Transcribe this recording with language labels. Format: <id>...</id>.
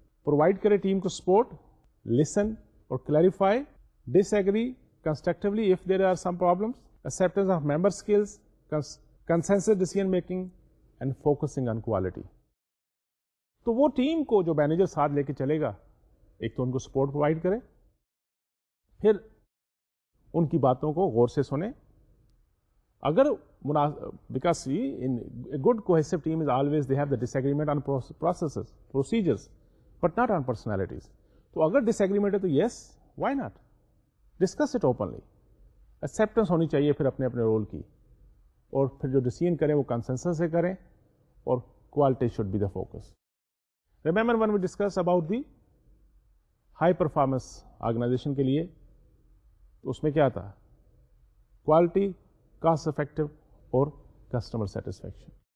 <en>Provide کرے team کو support, listen اور clarify, disagree constructively if there are some problems, acceptance of member skills, consensus decision making, and focusing on quality.</en> <ur>تو وہ team کو جو manager ساتھ لے کے چلے گا, ایک تو ان کو سپورٹ پرووائڈ کرے, پھر ان کی باتوں کو غور سے سنیں.</ur> <en>اگر because in a good cohesive team is always they have the disagreement on processes procedures but not on personalities.</en> <ur>تو اگر ڈس ایگریمنٹ ہے تو</ur> <en>Yes, why not discuss it openly.</en> <ur>Acceptance ہونی چاہیے پھر اپنے اپنے رول کی, اور پھر جو ڈیسیژن کریں وہ کنسنسس سے کریں, اور</ur> <en>Quality should be the focus. Remember when we discuss about the high performance organization</en> <ur>کے لیے, اس میں کیا تھا,</ur> <en>Quality, cost effective اور customer satisfaction.</en>